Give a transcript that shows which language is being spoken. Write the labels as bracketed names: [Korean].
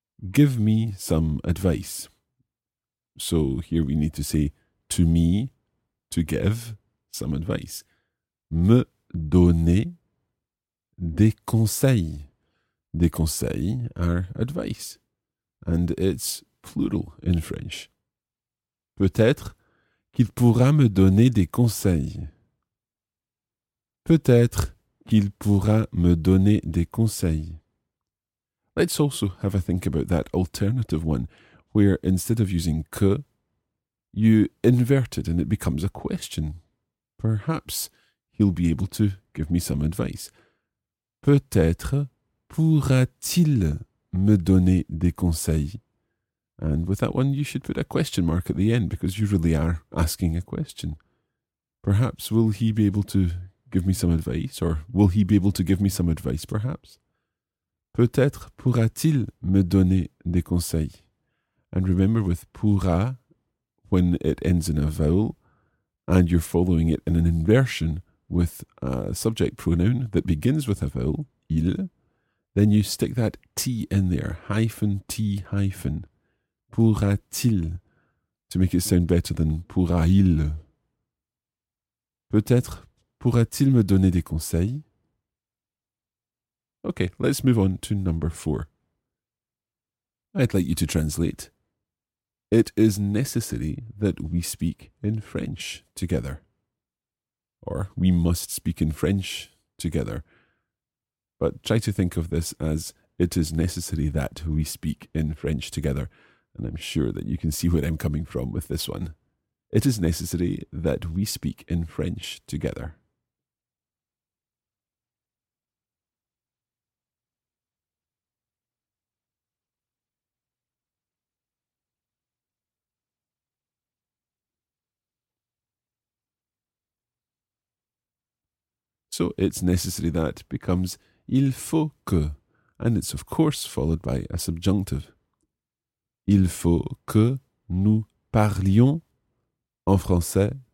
[English] Give me some advice. So here we need to say to me, to give some advice. [French] Me donner des conseils. [English] Des conseils are advice. And it's plural in French. [French] Peut-être qu'il pourra me donner des conseils. Peut-être qu'il pourra me donner des conseils. [English] Let's also have a think about that alternative one, where instead of using que, you invert it and it becomes a question. Perhaps he'll be able to give me some advice. [French] Peut-être pourra-t-il me donner des conseils? [English] And with that one, you should put a question mark at the end because you really are asking a question. Perhaps, will he be able to give me some advice? Or will he be able to give me some advice, perhaps? [French] Peut-être pourra-t-il me donner des conseils? [English] And remember with pourra, when it ends in a vowel, and you're following it in an inversion with a subject pronoun that begins with a vowel, il, then you stick that T in there, hyphen T hyphen. Pourra-t-il, to make it sound better than pourra-il. [French] Peut-être pourra-t-il me donner des conseils? [English] Okay, let's move on to number four. I'd like you to translate. It is necessary that we speak in French together. Or we must speak in French together. But try to think of this as it is necessary that we speak in French together. And I'm sure that you can see where I'm coming from with this one. It is necessary that we speak in French together. So it's necessary that becomes [French] il faut que, [English] and it's of course followed by a subjunctive. [French] Il faut que nous parlions en français